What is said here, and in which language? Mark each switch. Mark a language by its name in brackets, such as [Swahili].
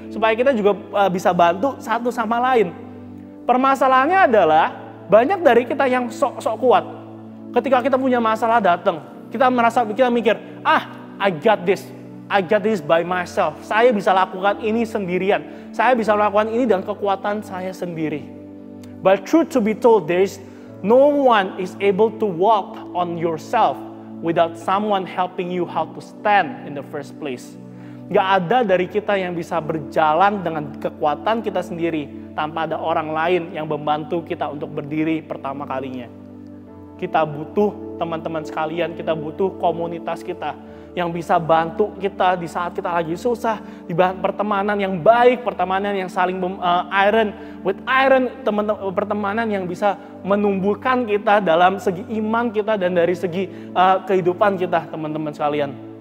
[Indonesian] Supaya kita juga bisa bantu satu sama lain. Permasalahannya adalah banyak dari kita yang sok-sok kuat. Ketika kita punya masalah datang, kita mikir, ah, [English] I got this by myself. [Indonesian] Saya bisa lakukan ini sendirian. Saya bisa lakukan ini dengan kekuatan saya sendiri. [English] But truth to be told, there is no one is able to walk on yourself without someone helping you how to stand in the first place. [Indonesian] Gak ada dari kita yang bisa berjalan dengan kekuatan kita sendiri tanpa ada orang lain yang membantu kita untuk berdiri pertama kalinya. Kita butuh teman-teman sekalian, kita butuh komunitas kita yang bisa bantu kita di saat kita lagi susah, di pertemanan yang baik, pertemanan yang saling iron, teman-teman, pertemanan yang bisa menumbuhkan kita dalam segi iman kita dan dari segi kehidupan kita, teman-teman sekalian.